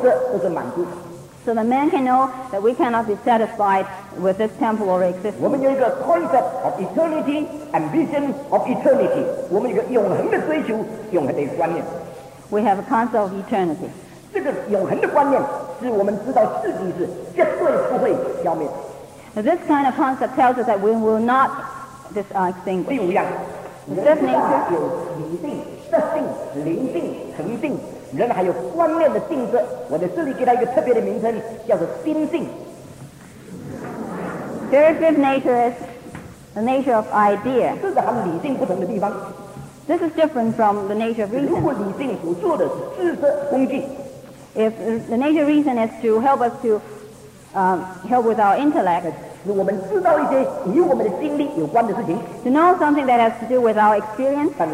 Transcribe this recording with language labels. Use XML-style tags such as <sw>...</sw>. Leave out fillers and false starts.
<en>So the man can know that we cannot be satisfied with this temporary existence.</en> <zh>我们有一个</zh> <en>concept of eternity, ambition of eternity.</en> <zh>我们有一个永恒的追求, 永恒的观念。</zh> <en>We have a concept of eternity.</en> <zh>这个永恒的观念是我们知道自己是绝对不会消灭。</zh> <en>Now this kind of concept tells us that we will not extinguish.</en> <zh>第五样, 人家有理性、色性、灵性、诚性。人还有观念的性质，我在这里给他一个特别的名称，叫做心性。</zh> <en>The fifth nature is the nature of idea.</en> <zh>这是和理性不同的地方。</zh> <en>This is different from the nature of reason.</en> <zh>如果理性所做的是知识工具。</zh> <en>If the nature of reason is to help us to help with our intellect,</en> <zh>使我们知道一些与我们的经历有关的事情,</zh> <en>to know something that has to do with our experience,</en>